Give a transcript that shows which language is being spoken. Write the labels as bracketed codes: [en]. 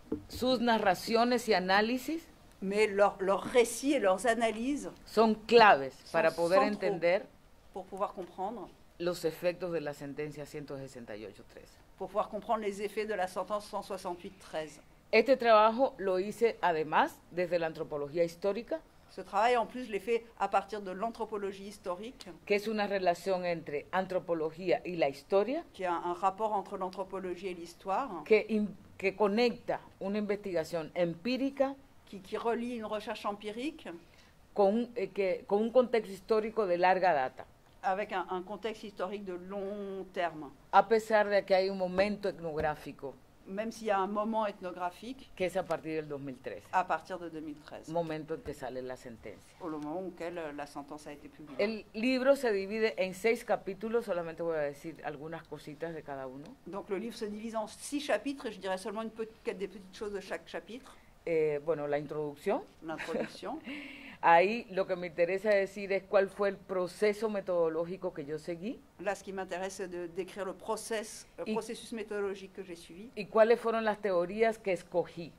[es] Sus narraciones y análisis. [fr] Mais leurs récits et leurs analyses sont [es] claves para poder entender [fr] pour pouvoir comprendre [es] los efectos de la sentencia 168-13. [fr] Pour pouvoir comprendre les effets de la sentence 168-13. [es] Este trabajo lo hice además desde la antropología histórica. [fr] Ce travail en plus l'ai fait à partir de l'anthropologie historique. [es] Que es una relación entre antropología y la historia. [fr] Qui a un rapport entre l'anthropologie et l'histoire. [es] Que conecta una investigación empírica. [fr] Qui relie une recherche empirique [es] con un contexte histórico de larga data. [fr] Avec un contexte historique de long terme. [es] A pesar de que hay un momento etnográfico. [fr] Même s'il y a un moment ethnographique. [es] Que es a partir del 2013. [fr] À partir de 2013. [es] Momento en que sale la sentencia. [fr] Au moment où la sentence a été publiée. [es] El libro se divide en 6 capítulos, solamente voy a decir algunas cositas de cada uno. [fr] Donc le livre se divise en 6 chapitres, je dirais seulement des petites choses de chaque chapitre. [es] Bueno, la introducción. [fr] L'introduction. [es] Ahí lo que me interesa decir es cuál fue el proceso metodológico que yo seguí. [fr] Là, ce qui m'intéresse c'est de décrire le processus méthodologique que j'ai suivi. [es] Y cuáles fueron las teorías que escogí.